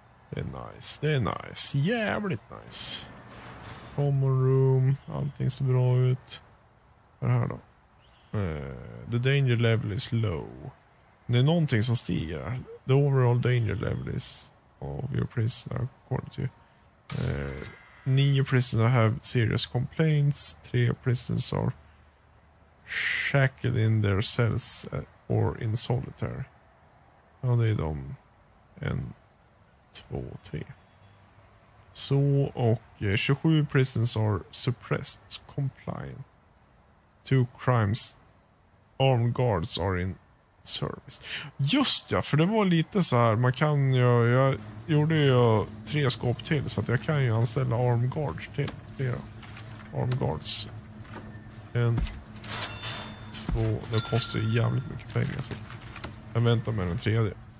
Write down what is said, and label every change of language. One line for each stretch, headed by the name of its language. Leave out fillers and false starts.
Swedish: Det är nice. Det är nice. Jävligt nice.
English: Common room.
Swedish: Allting ser bra ut. Vad är det här då?
English: The danger level is low.
Swedish: Det är någonting som stiger.
English: The overall danger level is of your prisoner according to you. 9 prisoners have serious complaints. 3 prisoners are shackled in their cells or in solitary.
Swedish: Ja, det är de. 1, 2, 3. Så, och
English: 27 prisoners are suppressed, compliant. 2 crimes. Armed guards are in service.
Swedish: Just ja, för det var lite så här. Man kan ju, jag gjorde ju 3 skåp till så att jag kan ju anställa armed guards till. Flera armed guards. 1, 2. Det kostar ju jävligt mycket pengar så jag väntar med den tredje.